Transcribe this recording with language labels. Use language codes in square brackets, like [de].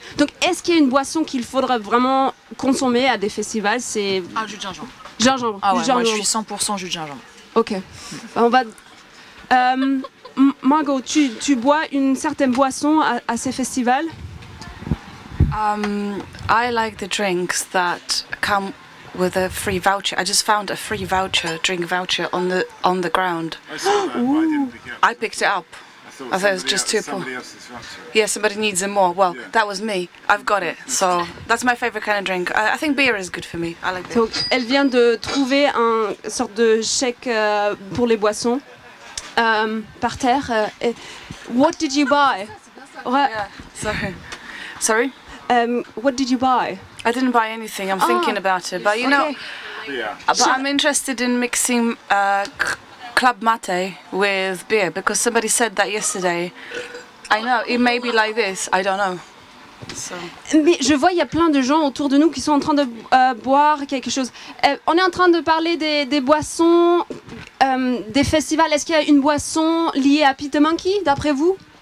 [fr] Donc, est-ce qu'il y a une boisson qu'il faudra vraiment consommer à des festivals? C'est... Ah, jus de gingembre. Gingembre. Ah ouais, gingembre. Moi, je suis 100% jus de gingembre. Ok. Mmh. On va... Margot, tu bois une certaine boisson à ces festivals? [en] I like the drinks that come with a free voucher. I just found a free voucher, drink voucher on the ground. I picked it up. I thought it was just two. Yeah, somebody needs it more. Well, yeah. That was me. I've got it. So that's my favorite kind of drink. I think beer is good for me. I like beer. [fr] Donc, elle vient de trouver un sorte de chèque pour les boissons. Par terre. [en] What did you buy? Sorry. What did you buy? I didn't buy anything. I'm thinking about it, but you know. Yeah. But I'm interested in mixing club mate with beer because somebody said that yesterday. I know it may be like this. I don't know. So. [fr] Mais je vois il y a plein de gens autour de nous qui sont en train de boire quelque chose. On est en train de parler des boissons, des festivals. Est-ce qu'il y a une boisson liée à Peter Monkey d'après vous?